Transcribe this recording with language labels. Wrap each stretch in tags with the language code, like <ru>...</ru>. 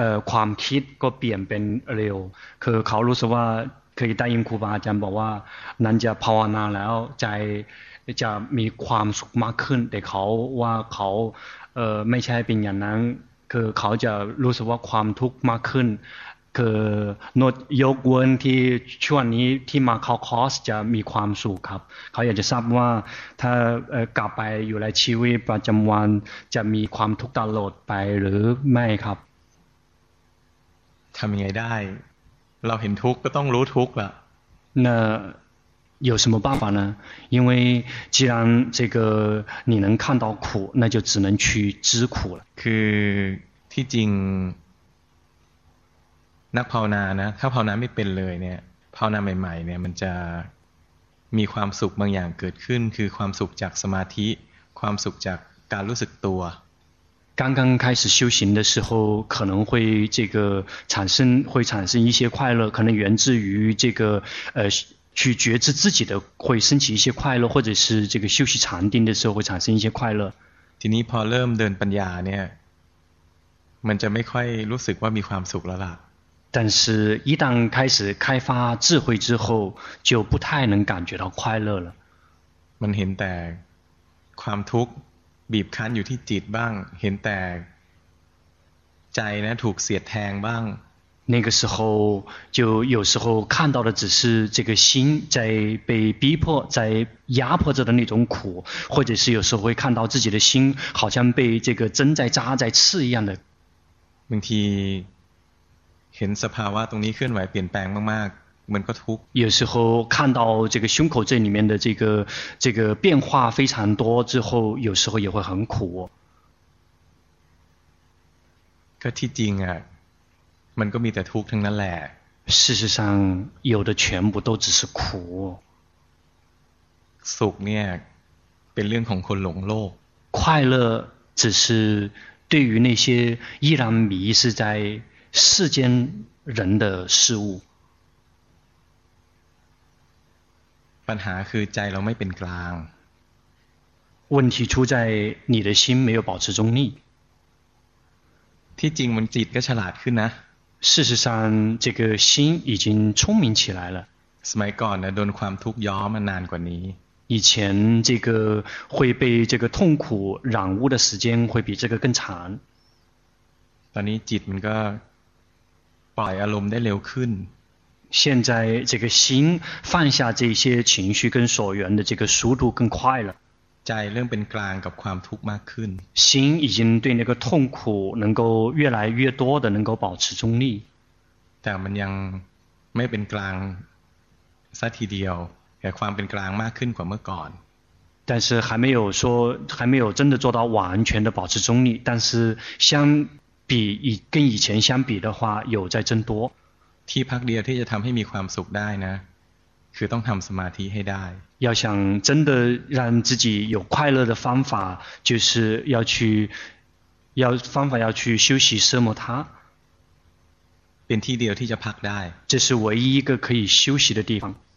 <th>ความคิดก็เปลี่ยนเป็นเร็วคือเขารู้สึกว่าเคยได้ยินครูบาอาจารย์บอกว่านั้นจะภาวนาแล้วใจจะมีความสุขมากขึ้นแต่เขาว่าเขาไม่ใช่เป็นอย่างนั้นคือเขาจะรู้สึกว่าความทุกข์มากขึ้นคือโนดยกเว้นที่ช่วงนี้ที่มาเข้าคอร์สจะมีความสุขครับเขาอยากจะทราบว่าถ้ากลับไปอยู่ในชีวิตประจำวันจะมีความทุกข์ตลอดไปหรือไม่ครับ ทำยังไงได้เราเห็นทุกข์ก็ต้องรู้ทุกข์ล่ะ</th> <zh>น่ะ有什么办法呢因为既然这个你能看到苦那就只能去知苦了</zh> <th>คือที่จริงนักภาวนานะถ้าภาวนาไม่เป็นเลยเนี่ยภาวนาใหม่ๆเนี่ยมันจะมีความสุขบางอย่างเกิดขึ้นคือความสุขจากสมาธิความสุขจากการรู้สึกตัว</th> <zh>刚刚开始修行的时候可能会这个产生一些快乐可能源自于这个去觉知自己的会升起一些快乐或者是这个休息禅定的时候会产生一些快乐</zh> <th>ทีนี้พอเริ่มเดินปัญญาเนี่ยมันจะไม่ค่อยรู้สึกว่ามีความสุขแล้วล่ะ</th> <zh>但是一旦开始开发智慧之后就不太能感觉到快乐了</zh> <th>มันเห็นแต่ความทุกข์บีบคั้นอยู่ที่จิตบ้างเห็นแต่ใจนะถูกเสียดแทงบ้าง</th> <zh>那个时候就有时候看到的只是这个心在被逼迫在压迫着的那种苦或者是有时候会看到自己的心好像被这个针在扎在刺一样的</zh> <th>บางทีเห็นสภาวะตรงนี้เคลื่อนไหวเปลี่ยนแปลงมากๆมันก็ทุกข์</th> <zh>有时候看到这个胸口这里面的这个变化非常多之后有时候也会很苦</zh> <th>ก็ที่จริงอ่ะมันก็มีแต่ทุกข์ทั้งนั้นแหละ</th> <zh>事实上有的全部都只是苦</zh> <th>สุขเนี่ยเป็นเรื่องของคนหลงโลก</th> <zh>快乐只是对于那些依然迷失在世间人的事物</zh> <th>ปัญหาคือใจเราไม่เป็นกลาง</th> <zh>问题出在你的心没有保持中立</zh> <th>ที่จริงมันจิตก็ฉลาดขึ้นนะ</th> <zh>事实上这个心已经聪明起来了</zh> <th>สมัยก่อนนะโดนความทุกข์ย้อมมานานกว่านี้</th> <zh>以前这个会被这个痛苦染污的时间会比这个更长</zh> <th>ตอนนี้จิตมันก็ปล่อยอารมณ์ได้เร็วขึ้น</th> <zh>现在这个心放下这些情绪跟所缘的这个速度更快了</zh> <th>ใจเริ่มเป็นกลางกับความทุกข์มากขึ้น</th> <zh>心已经对那个痛苦能够越来越多的能够保持中立</zh> <th>แต่มันยังไม่เป็นกลางสักทีเดียวแต่ความเป็นกลางมากขึ้นกว่าเมื่อก่อน</th> <zh>但是还没有真的做到完全的保持中立但是相比跟以前相比的话有在增多</zh> <th>ที่พักเดียวที่จะทำให้มีความสุขได้นะคือต้องทำสมาธิให้ได้</th> <zh>要想真的让自己有快乐的方法就是要去要方法要去休息奢摩他</zh> <th>เป็นที่เดียวที่จะพักได้</th> <zh>这是唯一一个可以休息的地方</zh>